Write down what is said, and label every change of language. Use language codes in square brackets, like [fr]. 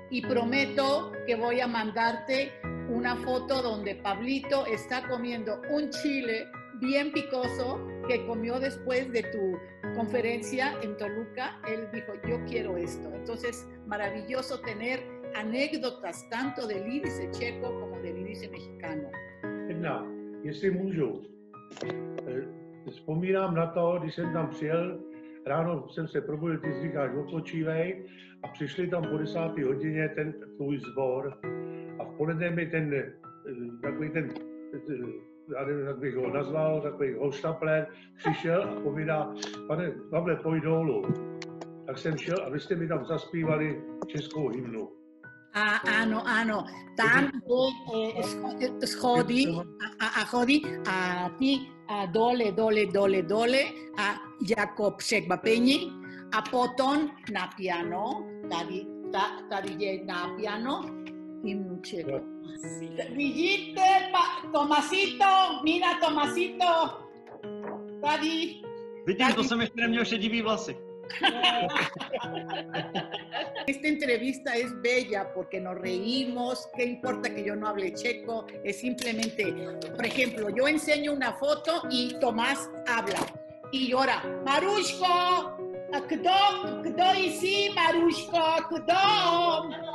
[es] Y prometo que voy a mandarte una foto donde Pablito está comiendo un chile bien picoso que comió después de tu conferencia en Toluca. Él dijo, yo quiero esto. Entonces, maravilloso tener anécdotas tanto del índice checo como del índice mexicano. [cs] Edna, jestli můžu, vzpomínám na to, když jsem tam přijel ráno jsem se probudil, ty říkáš, odpočívej, a přišli tam po 10. hodině ten tvůj sbor a v poledne mi ten, takový ten, já nevím, jak bych ho nazval, takový hostapler, přišel a povídá, pane Pavle, pojď dolů. Tak jsem šel a vy jste mi tam zaspívali českou hymnu. A ano, ano, tam byly schody a chody a ty a dole, dole, dole, dole a jako překvapení a potom na piano, tady je na piano hymnu Čeku. Vidíte, Tomasito, Mina Tomasito, tady. Vidím, to jsem ještě neměl šedivý vlasy. [es] Esta entrevista es bella porque nos reímos, qué importa que yo no hable checo, es simplemente, por ejemplo, yo enseño una foto y Tomás habla y llora, [cs] Maruško, kdo jsi, Maruško, kdo?